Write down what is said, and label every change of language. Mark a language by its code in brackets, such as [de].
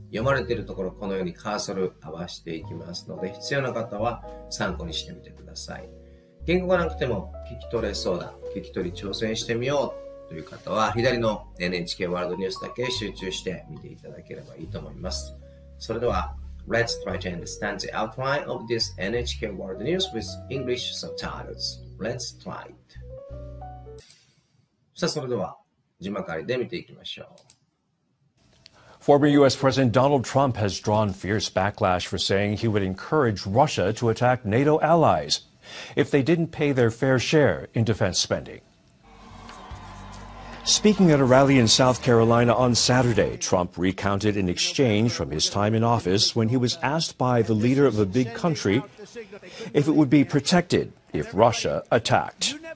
[ja] 読まれているところ、このようにカーソル合わせていきますので、必要な方は参考にしてみてください。言語がなくても聞き取れそうだ、聞き取り挑戦してみようという方は左の NHK ワールドニュースだけ集中して見ていただければいいと思います。それでは [en] Let's try to understand the outline of this NHK World News with English subtitles. Let's try it. [ja] さあ、それでは字幕ありで見ていきましょう。 [en] Former U.S. President Donald Trump has drawn fierce backlash for saying he would encourage Russia to attack NATO allies if they didn't pay their fair share in defense spending. Speaking at a rally in South Carolina on Saturday, Trump recounted an exchange from his time in office when he was asked by the leader of a big country if it would be protected if Russia attacked.